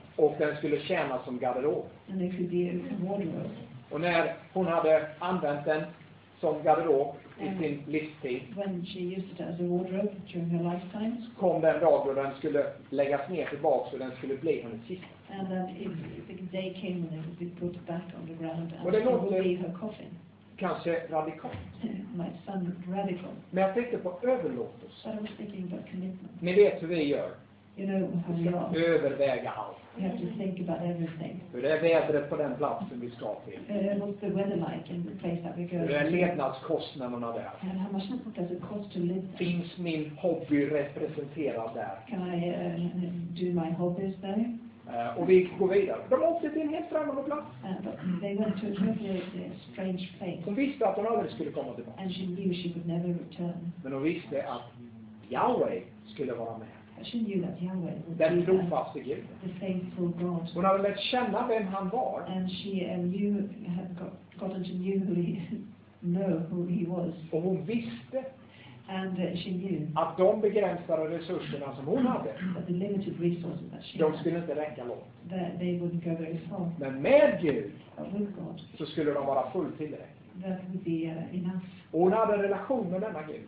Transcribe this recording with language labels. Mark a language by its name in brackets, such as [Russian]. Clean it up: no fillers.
[Swedish] Och den skulle tjäna som garderob. [English] And it could be a wardrobe. [Swedish] Och när hon hade använt den som garderob i sin livstid. [English] When she used it as a wardrobe during her lifetime. [Swedish] Så kom den dag då den skulle läggas ner tillbaka så den skulle bli hennes sista. [English] And the day came when it would be put back on the ground and it would be her coffin. [Swedish] Kanske radikalt. [English] My son radical. [Swedish] Men jag tänkte på överlåtelse. [English] I was thinking about commitment. [Swedish] Ni vet hur vi gör. [English] You know how we are. [Swedish] Överväga allt. [English] We have to think about everything. [Swedish] Hur är vädret på den platsen vi ska till? [English] What's the weather like in the place that we go? [Swedish] Hur är levnadskostnaderna där? [English] And how much does it cost to live there? [Swedish] Finns min hobby representerad där? [English] Can I do my hobbies there? [Swedish] Och vi går vidare. De åkte till en helt främmande plats. [English] They went to a totally strange place. [Swedish] Hon visste att hon aldrig skulle komma tillbaka. [English] And she knew she would never return. [Swedish] Men hon visste att Yahweh skulle vara med. [English] She knew that Yahweh would [Swedish] den trofaste Gud. [English] The faithful God. [Swedish] Hon hade lärt känna vem han var. [English] And she knew, had gotten to newly know who he was. [Swedish] Och hon visste. [English] And she knew [Swedish] att de begränsade resurserna som hon hade, [English] the limited resources that she [Swedish] de skulle inte räcka långt. [English] That they wouldn't go very far. [Swedish] Men med Gud, [English] with God, [Swedish] så skulle de vara fullt tillräckliga. [English] That would be enough. [Swedish] Och hon hade en relation med denna Gud.